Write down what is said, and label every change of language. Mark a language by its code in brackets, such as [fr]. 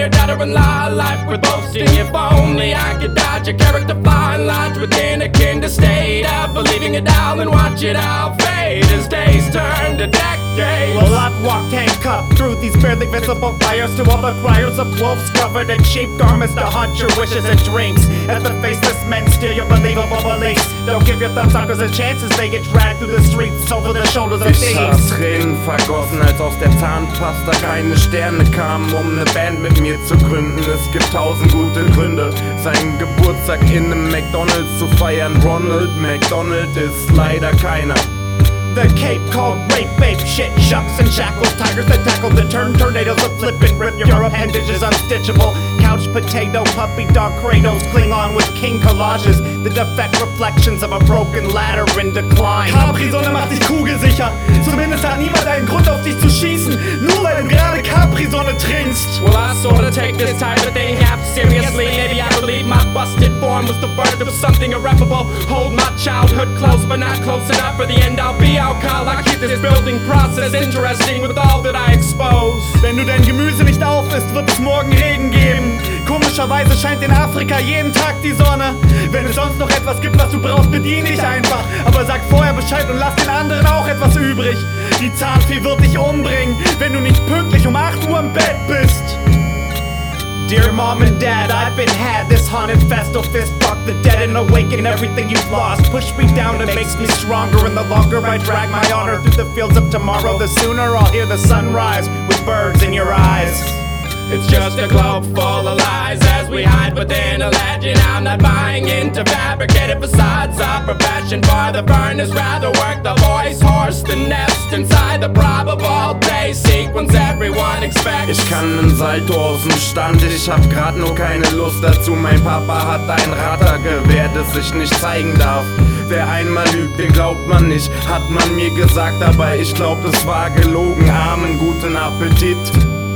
[en] Your daughter-in-law, life with boasting. If only I could dodge a character flaw and lodge within a kinder state of believing it all and watch it all fade as days turn to decades. Well, I've walked handcuffed through these barely visible fires to all the criers of wolves covered in sheep garments to haunt your wishes and dreams. As the faceless men steal your believable beliefs, don't give your thumbsuckers a chance as they get dragged through the streets over the shoulders of thieves. [de] Ich hab Tränen vergossen, als aus der Zahnpasta keine Sterne kamen, um eine Band mit mir zu gründen. Es gibt tausend gute Gründe, seinen Geburtstag in einem McDonald's zu feiern. Ronald McDonald ist leider keiner. [en] The Cape called rape, babe, shit, shucks and shackles, tigers that tackle the turn, tornadoes that flip and rip your appendages unstitchable. Couch potato, puppy dog cradles, cling on with king collages, the defect reflections of a broken ladder in decline. [de] Capri-Sonne macht dich kugelsicher, zumindest hat niemand einen Grund auf dich zu schießen, nur weil du gerade Capri-Sonne trinkst. [en] Well, I sort of take this time to think half seriously, maybe I believe my busted form was the birth of something irreparable. Hold my childhood close, but not close enough for the end I'll be alcohol. I keep this building process interesting with all that I expose. [de] Wenn du dein Gemüse nicht aufisst, wird es morgen Regen geben. Komischerweise scheint in Afrika jeden Tag die Sonne. Wenn es sonst noch etwas gibt, was du brauchst, bediene dich einfach. Aber sag vorher Bescheid und lass den anderen auch etwas übrig. Die Zahnfee wird dich umbringen, wenn du nicht pünktlich um 8 Uhr im Bett bist. [en] Dear Mom and Dad, I've been had, this haunted festal fist fuck the dead and awaken everything you've lost. Push me down, it makes me stronger, and the longer I drag my honor through the fields of tomorrow, the sooner I'll hear the sunrise with birds in your eyes. It's just a globe full of lies as we hide within a legend. I'm not buying into fabricated facades of profession. For the furnace, rather work the voice horse than nest inside the probable day sequence everyone expects. [de] Ich kann nen Salto aus dem Stand, ich hab grad nur keine Lust dazu. Mein Papa hat ein Radargewehr, das ich nicht zeigen darf. Wer einmal lügt, den glaubt man nicht, hat man mir gesagt. Aber ich glaub, es war gelogen. Amen, guten Appetit.